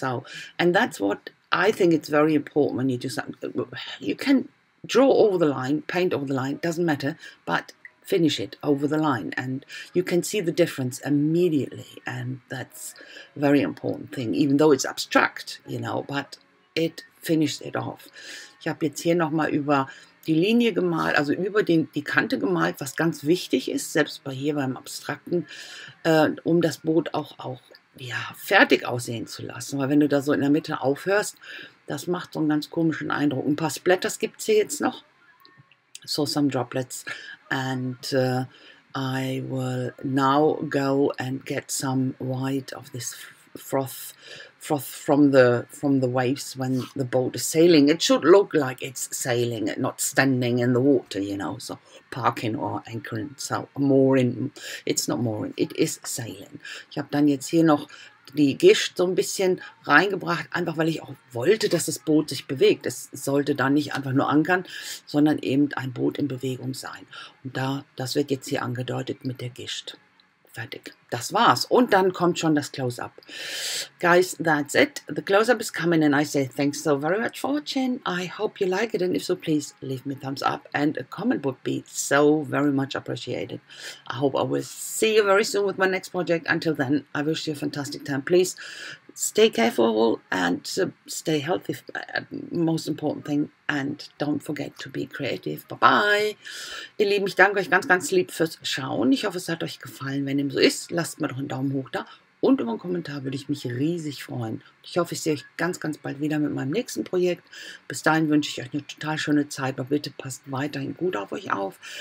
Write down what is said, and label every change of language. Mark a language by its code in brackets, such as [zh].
[en] So, and that's what I think. It's very important when you do something. You can draw over the line, paint over the line, doesn't matter, but finish it over the line, and you can see the difference immediately, and that's a very important thing, even though it's abstract, you know, but it finishes it off. [de] Ich habe jetzt hier nochmal über die Linie gemalt, also über die Kante gemalt, was ganz wichtig ist, selbst bei hier beim Abstrakten, um das Boot auch ja, fertig aussehen zu lassen, weil wenn du da so in der Mitte aufhörst, das macht so einen ganz komischen Eindruck. Ein paar Splatters gibt es hier jetzt noch. [en] So some droplets. And I will now go and get some white of this froth from the waves when the boat is sailing. It should look like it's sailing, not standing in the water, you know. So parking or anchoring. So mooring. It's not mooring. It is sailing. [de] Ich habe dann jetzt hier noch die Gischt so ein bisschen reingebracht, einfach weil ich auch wollte, dass das Boot sich bewegt. Es sollte dann nicht einfach nur ankern, sondern eben ein Boot in Bewegung sein. Und das wird jetzt hier angedeutet mit der Gischt. Fertig. Das war's. Und dann kommt schon das Close-Up. [en] Guys, that's it. The Close-Up is coming and I say thanks so very much for watching. I hope you like it, and if so, please leave me a thumbs up, and a comment would be so very much appreciated. I hope I will see you very soon with my next project. Until then, I wish you a fantastic time. Please stay careful and stay healthy, most important thing, and don't forget to be creative. Bye-bye. [de] Ihr Lieben, ich danke euch ganz, ganz lieb fürs Schauen. Ich hoffe, es hat euch gefallen. Wenn dem so ist, lasst mir doch einen Daumen hoch da und über einen Kommentar würde ich mich riesig freuen. Ich hoffe, ich sehe euch ganz, ganz bald wieder mit meinem nächsten Projekt. Bis dahin wünsche ich euch eine total schöne Zeit, aber bitte passt weiterhin gut auf euch auf.